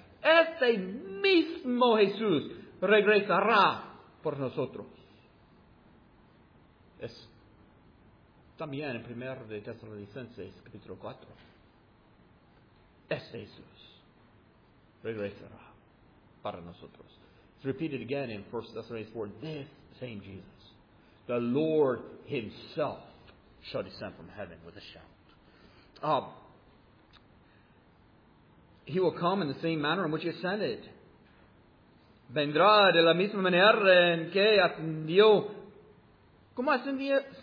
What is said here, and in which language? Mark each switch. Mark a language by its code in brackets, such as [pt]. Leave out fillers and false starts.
[es] Este mismo Jesús regresará por nosotros. Es también en 1 de Tesalonicenses, capítulo 4. Este Jesús regresará para nosotros. [en] It's repeated again in 1 Thessalonians 4. This same Jesus, the Lord himself, shall descend from heaven with a shout. He will come in the same manner in which he ascended. [es] Vendrá de la misma manera en que ascendió. ¿Cómo ascendió?